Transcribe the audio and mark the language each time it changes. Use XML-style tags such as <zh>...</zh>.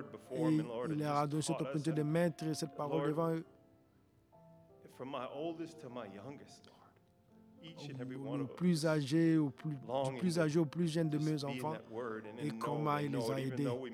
<fr>Et il leur a donné cette opportunité de mettre cette parole devant eux.</fr> <en>From my oldest to my youngest, Lord, each and every one of us,</en> <fr>du plus âgé au plus jeune de mes enfants, et comment il les a aidés.</fr>